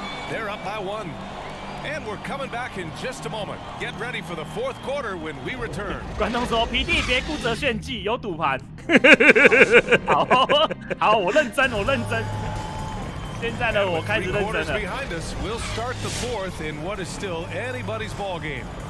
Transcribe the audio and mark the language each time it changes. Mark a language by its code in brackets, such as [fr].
[en] They're up by one, and we're coming back in just a moment. Get ready for the fourth quarter when we return. [zh] 观众说 ：“PD 别顾着炫技，有赌盘。” 好，我认真。现在呢，我开始认真了。 [en] Behind us, we'll start the fourth in what is still anybody's ball game.